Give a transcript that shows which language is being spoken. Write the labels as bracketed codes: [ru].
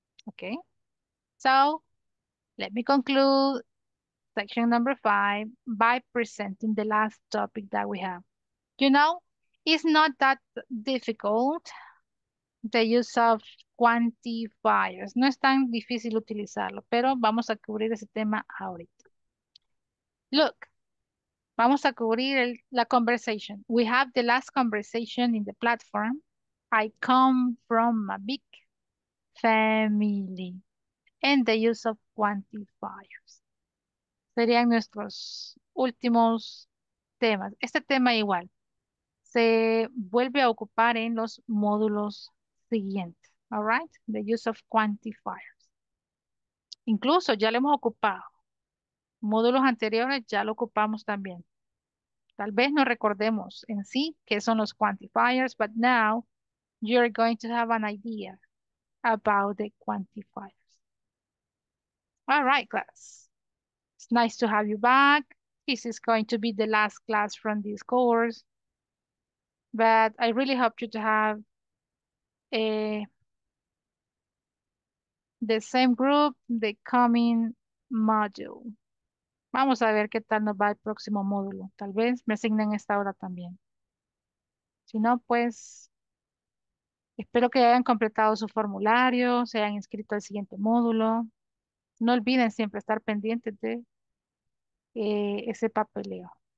[en] Okay, so let me conclude section number five by presenting the last topic that we have. You know, it's not that difficult, the use of quantifiers. [es] No es tan difícil utilizarlo, pero vamos a cubrir ese tema ahorita. Look, vamos a cubrir la conversation. [en] We have the last conversation in the platform. I come from a big family. And the use of quantifiers. [es] Serían nuestros últimos temas. Este tema igual. Se vuelve a ocupar en los módulos siguientes. [en] All right? The use of quantifiers. [es] Incluso ya lo hemos ocupado. Módulos anteriores ya lo ocupamos también. Tal vez no recordemos en sí qué son los quantifiers, [en] but now you're going to have an idea about the quantifiers. All right, class. It's nice to have you back. This is going to be the last class from this course. But I really hope you to have the same group the coming module. [es] Vamos a ver qué tal nos va el próximo módulo. Tal vez me asignen esta hora también. Si no, pues espero que hayan completado su formulario, se hayan inscrito al siguiente módulo. No olviden siempre estar pendientes de ese papeleo.